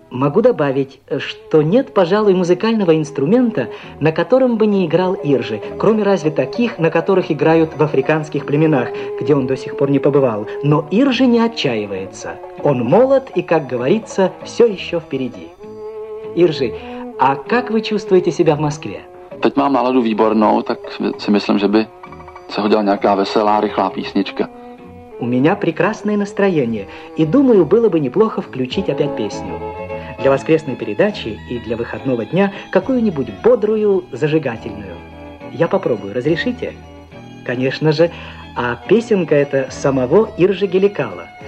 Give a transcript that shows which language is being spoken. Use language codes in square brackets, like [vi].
[ru] Могу добавить, что нет, пожалуй, музыкального инструмента, на котором бы не играл Иржи, кроме разве таких, на которых играют в африканских племенах, где он до сих пор не побывал. Но Иржи не отчаивается. Он молод и, как говорится, все еще впереди. Иржи, а как вы чувствуете себя в Москве? [cs] Teď mám náladu výbornou, tak si myslím, že by se hodila nějaká veselá, rychlá písnička. [ru] У меня прекрасное настроение, и думаю, было бы неплохо включить опять песню. Для воскресной передачи и для выходного дня какую-нибудь бодрую, зажигательную. Я попробую, разрешите? Конечно же, а песенка эта самого Иржи Геликала.